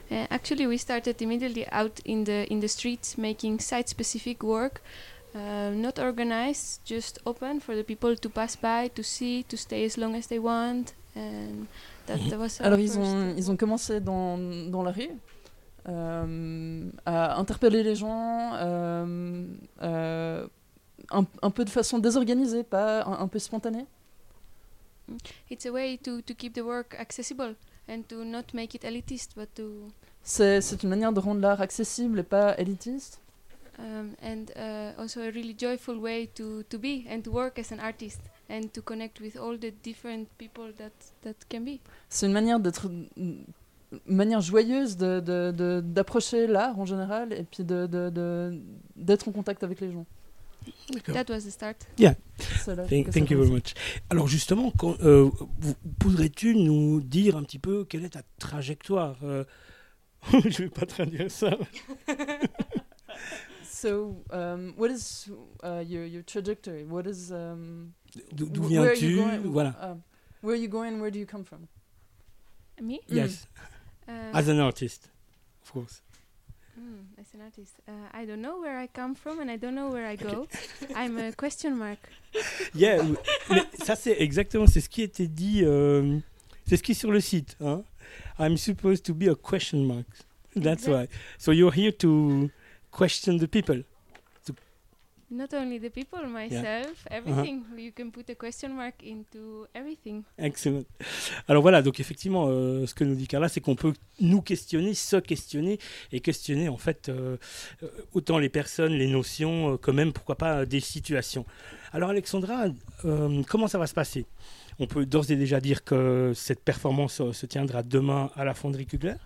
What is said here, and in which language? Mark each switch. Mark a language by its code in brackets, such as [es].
[en] Actually, we started immediately out in the streets making site-specific work, not organized, just open for the people to pass by, to see, to stay as long as they want, and that was. [fr] Alors ils ont commencé dans la rue, à interpeller les gens, un peu de façon désorganisée, pas un peu spontanée. [en] It's a way to keep the work accessible and to not make it elitist, but to. [fr] C'est une manière de rendre l'art accessible et pas élitiste. [en] And also a really joyful way to be and to work as an artist and to connect with all the different people that can be. [fr] C'est une manière d'être une manière joyeuse de d'approcher l'art en général et puis de d'être en contact avec les gens. D'accord. [en] That was the start. Yeah. Thank you very much. [fr] Alors justement, pourrais-tu nous dire un petit peu quelle est ta trajectoire? Je vais pas traduire ça. [en] So, what is your trajectory? What is [fr] d'où viens-tu? Voilà. [en] Where are you going? Where do you come from? Me? Yes. As an artist, of course. As an artist, I don't know where I come from and I don't know where I go. Okay. I'm a question mark. Yeah. [fr] Mais ça c'est exactement c'est ce qui était dit. C'est ce qui est sur le site, hein. [en] I'm supposed to be a question mark. That's why. So you're here to question the people. So not only the people, myself, yeah. Everything. Uh-huh. You can put a question mark into everything. Excellent. [fr] Alors voilà, donc effectivement, ce que nous dit Carla, c'est qu'on peut nous questionner, se questionner, et questionner en fait autant les personnes, les notions, quand même, pourquoi pas, des situations. Alors Alexandra, comment ça va se passer? On peut d'ores et déjà dire que cette performance se tiendra demain à la Fonderie Kugler.